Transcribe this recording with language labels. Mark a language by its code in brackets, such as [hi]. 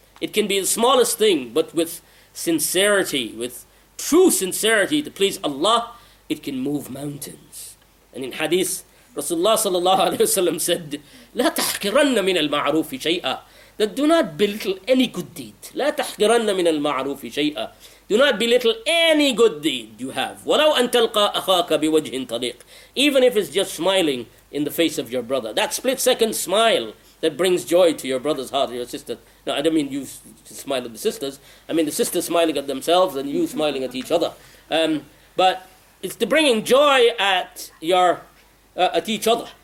[en] It can be the smallest thing, but with sincerity, with true sincerity to please Allah, it can move mountains. And in Hadith, Rasulullah sallallahu alaihi wasallam said, [ar] لَا تَحْكِرَنَّ مِنَ الْمَعْرُوفِ شَيْئًا, [en] that do not belittle any good deed. [ar] لا تحقرن من المعروف شيئا. [en] Do not belittle any good deed you have. [ar] ولو أن تلقى أخاك بوجه طليق. [en] Even if it's just smiling in the face of your brother. That split second smile that brings joy to your brother's heart or your sister. No, I don't mean you smile at the sisters. I mean the sisters smiling at themselves and you smiling at each other. But it's the bringing joy at your at each other.